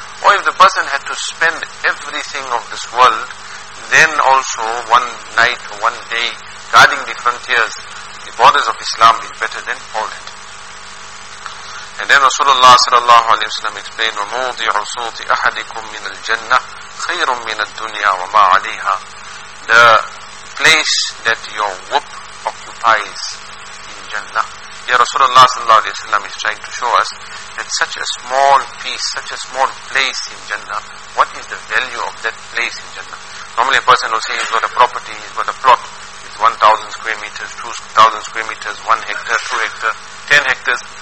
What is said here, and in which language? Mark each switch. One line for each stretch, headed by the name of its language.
English: Or if the person had to spend everything of this world, then also one night or one day guarding the frontiers, the borders of Islam is better than all that. And then Rasulullah sallallahu alayhi wa sallam explained,
Arabic: وَمُوْضِعُ صُوتِ أَحَدِكُمْ مِنَ الْجَنَّةِ خَيْرٌ مِنَ الدُّنْيَا وَمَا عَلِيهَا.
English: The place that your whoop occupies in Jannah. Here Rasulullah sallallahu alayhi wa sallam is trying to show us that such a small piece, such a small place in Jannah, what is the value of that place in Jannah? Normally a person will say he's got a property, he's got a plot, it's 1,000 square meters, 2,000 square meters, 1 hectare, 2 hectare, 10 hectares.